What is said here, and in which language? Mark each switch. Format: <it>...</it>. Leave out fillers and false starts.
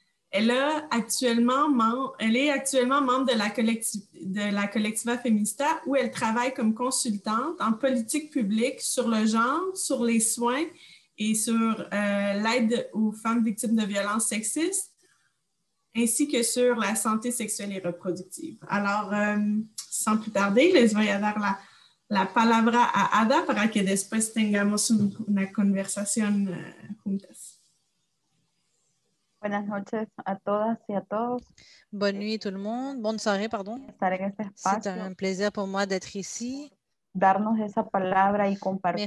<fr>Elle est actuellement membre de la Collectiva Feminista où elle travaille comme consultante en politique publique sur le genre, sur les soins et sur l'aide aux femmes victimes de violences sexistes, ainsi que sur la santé sexuelle et reproductive. Alors, sans plus tarder,</fr> <es>les voy a dar la palabra a Ada para que después tengamos una conversación juntas. Buenas noches a todas y a todos.</es> <fr>Bonne nuit tout le monde. Bonne soirée, pardon. C'est un plaisir pour moi d'être ici.</fr> <es>Darnos esa palabra y compartir.</es>